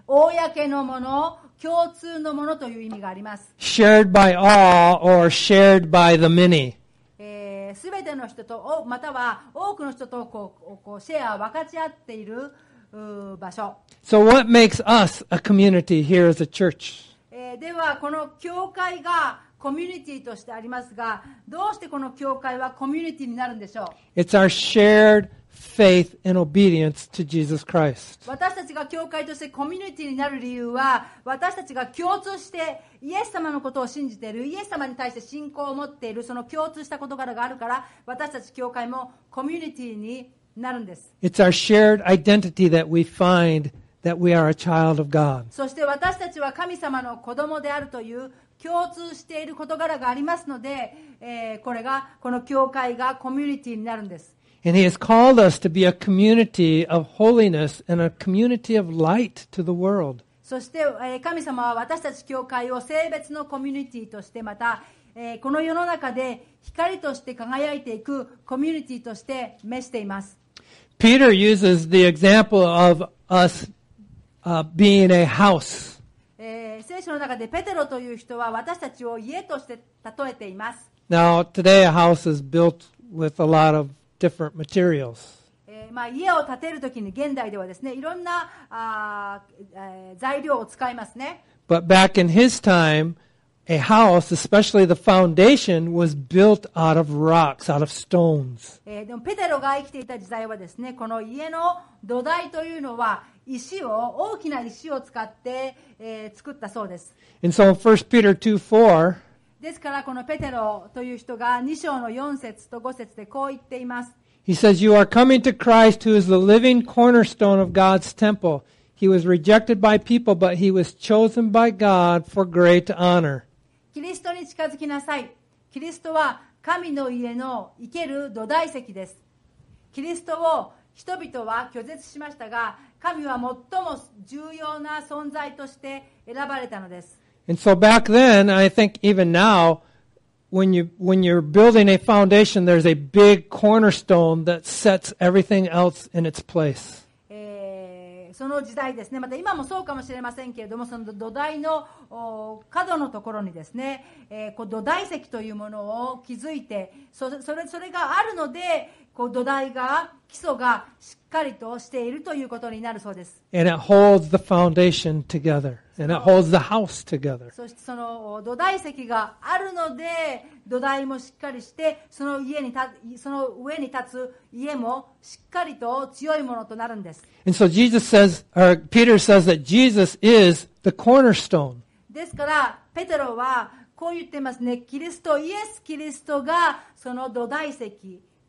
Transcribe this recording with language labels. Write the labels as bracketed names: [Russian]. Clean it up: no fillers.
[Japanese] 公のもの共通のものという意味があります。 [English] shared by all or shared by the many、 [Japanese] 全ての人とまたは多くの人とこうシェアを分かち合っている場所。 [English] So what makes us a community here as a church?、 [Japanese] ではこの教会がコミュニティとしてありますが、どうしてこの教会はコミュニティになるんでしょう? [English] It's our shared faith and obedience to Jesus Christ. [Japanese] 私たちが教会としてコミュニティになる理由は、私たちが共通してイエス様のことを信じている、イエス様に対して信仰を持っている、その共通した事柄があるから、私たち教会もコミュニティになるんです。 [English] It's our shared identity that we find that we are a child of God. [Japanese] そして私たちは神様の子供であるという共通している事柄がありますので、これがこの教会がコミュニティになるんです。 [English] And he has called us to be a community of holiness and a community of light to the world. [Japanese] そして、神様は私たち教会を性別のコミュニティとしてまた、この世の中で光として輝いていくコミュニティとして召しています。 [English] Peter uses the example of us, being a house. [Japanese] 聖書の中でペテロという人は私たちを家として例えています。 [English] Now, today a house is built with a lot of different materials. [Japanese] 家を建てるときに現代ではですね、いろんな材料を使いますね。 [English] But back in his time, a house, especially the foundation, was built out of rocks, out of stones. [Japanese] でもペテロが生きていた時代はですね、この家の土台というのは石を大きな石を使って、作ったそうです。 [English] And so 1 Peter 2:4 [Japanese] ですからこのペテロという人が2章の4節と5節でこう言っています。 [English] He says, You are coming to Christ who is the living cornerstone of God's temple. He was rejected by people, but he was chosen by God for great honor. [Japanese] キリストに近づきなさい。キリストは神の家の生ける土台石です。キリストを人々は拒絶しましたが、神は最も重要な存在として選ばれたのです。 [English] And so back then, I think even now, when you're building a foundation, there's a big cornerstone that sets everything else in its place. [Japanese] その時代ですね。また今もそうかもしれませんけれども、その土台の角のところにですね、こう土台石というものを築いて、それがあるので、こう土台が基礎がしっかりとしているということになるそうです。 [English] And it holds the foundation together. And it holds the house together. [Japanese] そしてその土台石があるので、土台もしっかりして、その上に立つ家もしっかりと強いものとなるんです。 [English] And so Jesus says, or Peter says that Jesus is the cornerstone. [Japanese] ですから、ペテロはこう言ってますね。キリスト、イエス・キリストがその土台石。